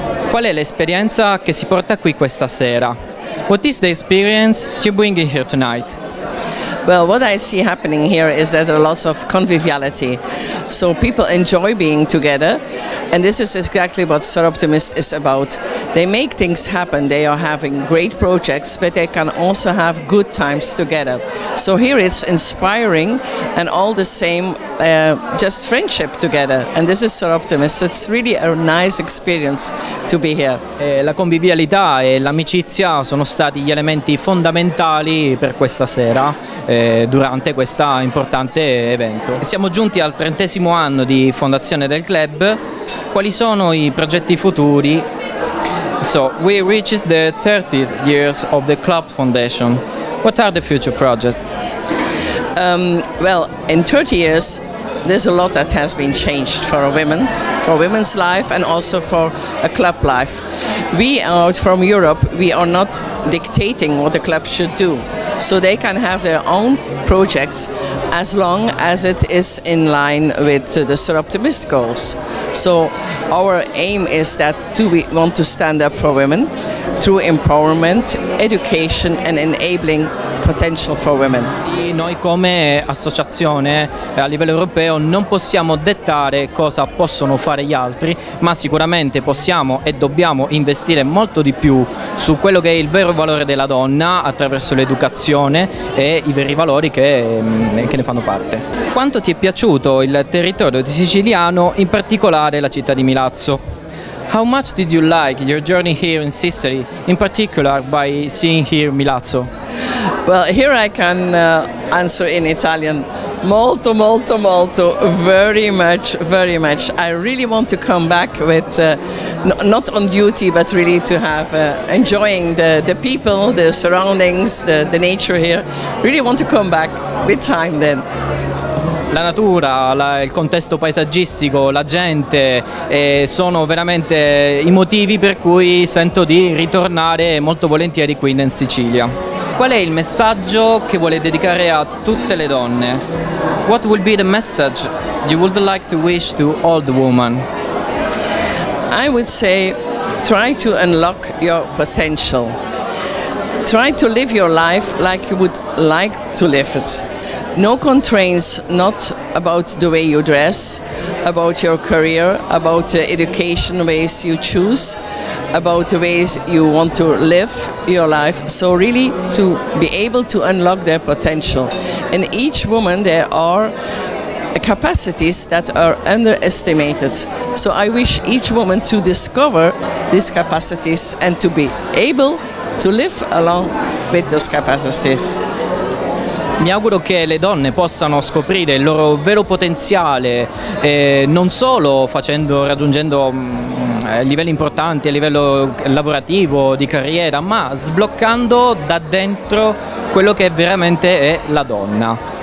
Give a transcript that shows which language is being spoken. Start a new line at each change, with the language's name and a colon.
Italian: Qual è l'esperienza che si porta qui questa sera?
English: What is the experience you bring here tonight? Well, what I see happening here is that there are lots of conviviality. So people enjoy being together, and this is exactly what Soroptimist is about. They make things happen, they are having great projects, but they can also have good times together. So here it's inspiring and all the same, just friendship together. And this is Soroptimist, so it's really a nice experience to be here.
Italian: La convivialità e l'amicizia sono stati gli elementi fondamentali per questa sera. Durante questo importante evento. Siamo giunti al 30° anno di fondazione del club. Quali sono i progetti futuri?
English: So, we reached the 30th years of the club foundation. What are the future projects? Well, in 30 years there's a lot that has been changed for women's life and also for a club life. We out from Europe, we are not dictating what the club should do. So they can have their own projects as long as it is in line with the Sir Optimist goals. So our aim is that we want to stand up for women through empowerment, education and enabling potential for women.
Italian: Noi come associazione a livello europeo non possiamo dettare cosa possono fare gli altri, ma sicuramente possiamo e dobbiamo investire molto di più su quello che è il vero valore della donna attraverso l'educazione e i veri valori che ne fanno parte. Quanto ti è piaciuto il territorio siciliano, in particolare la città di Milazzo?
English: How much did you like your journey here in Sicily, in particular by seeing here Milazzo? Well, here I can answer in Italian.
Italian: Molto, molto, molto,
English: very much, very much. I really want to come back with, not on duty, but really to have, enjoying the people, the surroundings, the nature here. Really want to come back with time then.
Italian: La natura, il contesto paesaggistico, la gente, sono veramente i motivi per cui sento di ritornare molto volentieri qui in Sicilia. Qual è il messaggio che vuole dedicare a tutte le donne?
English: What will be the message you would like to wish to all the women? I would say try to unlock your potential. Try to live your life like you would like to live it. No constraints, not about the way you dress, about your career, about the education ways you choose, about the ways you want to live your life. So really to be able to unlock their potential. In each woman there are capacities that are underestimated. So I wish each woman to discover these capacities and to be able to live along with those capacities.
Italian: Mi auguro che le donne possano scoprire il loro vero potenziale, non solo raggiungendo livelli importanti a livello lavorativo, di carriera, ma sbloccando da dentro quello che veramente è la donna.